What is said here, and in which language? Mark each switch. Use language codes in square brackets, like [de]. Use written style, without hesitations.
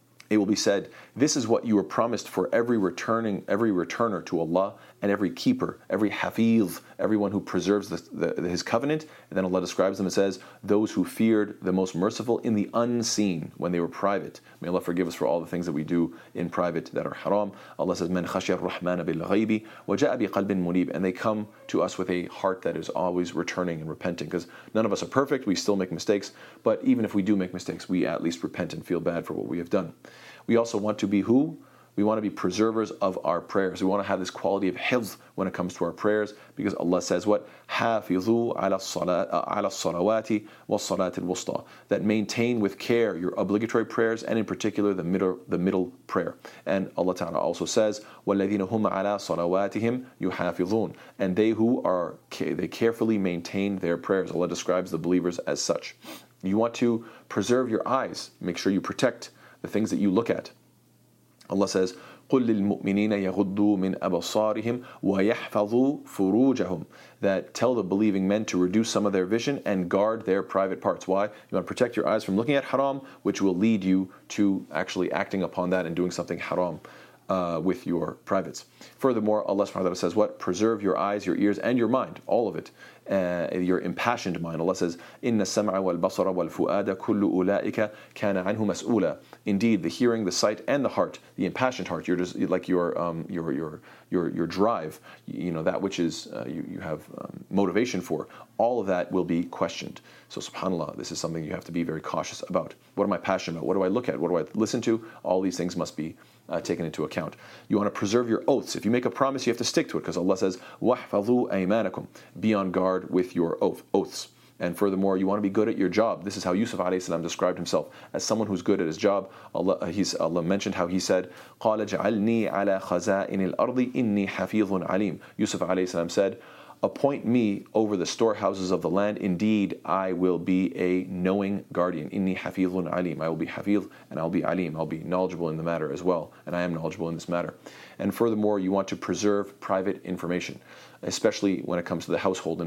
[en] It will be said, this is what you were promised for every returner to Allah, and every keeper, every hafiz, everyone who preserves his covenant. And then Allah describes them and says, those who feared the Most Merciful in the unseen when they were private. May Allah forgive us for all the things that we do in private that are haram. Allah says, [ar] من خشي الرحمن بالغيب وجاء بقلب منيب. [en] And they come to us with a heart that is always returning and repenting. Because none of us are perfect, we still make mistakes. But even if we do make mistakes, we at least repent and feel bad for what we have done. We also want to be who? We want to be preservers of our prayers. We want to have this quality of hifz when it comes to our prayers, because Allah says what? [ar] حَافِظُوا عَلَى الصَّلَوَاتِ وَالصَّلَاتِ الْوُسْطَى. [en] That maintain with care your obligatory prayers, and in particular the middle prayer. And Allah Ta'ala also says, [ar] وَالَّذِينَ هُمْ عَلَى صَلَوَاتِهِمْ يُحَافِظُونَ. [en] And they who are, they carefully maintain their prayers. Allah describes the believers as such. You want to preserve your eyes. Make sure you protect the things that you look at. Allah says, [ar] قُلْ لِلْمُؤْمِنِينَ يَغُدُّوا مِنْ أَبَصَارِهِمْ وَيَحْفَظُوا فُرُوجَهُمْ. [en] That tell the believing men to reduce some of their vision and guard their private parts. Why? You want to protect your eyes from looking at haram, which will lead you to actually acting upon that and doing something haram with your privates. Furthermore, Allah subhanahu wa ta'ala says what? Preserve your eyes, your ears, and your mind, all of it. Your impassioned mind. Allah says, [ar] إِنَّ السَّمْعَ وَالْبَصَرَ وَالْفُؤَادَ كُلُّ أُولَٰئِكَ كَانَ عَنْهُ مَسْؤُولًا. [en] Indeed, the hearing, the sight, and the heart, the impassioned heart, you're just like your drive, you know, that which is you have motivation for, all of that will be questioned. So subhanAllah, this is something you have to be very cautious about. What am I passionate about? What do I look at? What do I listen to? All these things must be taken into account. You want to preserve your oaths. If you make a promise, you have to stick to it, because Allah says, [ar] وَحْفَظُوا أَيْمَانَكُمْ. [en] Be on guard with your oaths. And furthermore, you want to be good at your job. This is how Yusuf alayhi salam described himself, as someone who's good at his job. Allah mentioned how he said, [ar] قَالَ جَعَلْنِي عَلَى خَزَائِنِ الْأَرْضِ إِنِّي حَفِيظٌ عَلِيمٌ. [en] Yusuf alayhi salam said, appoint me over the storehouses of the land. Indeed, I will be a knowing guardian. [ar] Inni hafizun alim. [en] I will be hafiz and I'll be alim. I'll be knowledgeable in the matter as well. And I am knowledgeable in this matter. And furthermore, you want to preserve private information, especially when it comes to the household.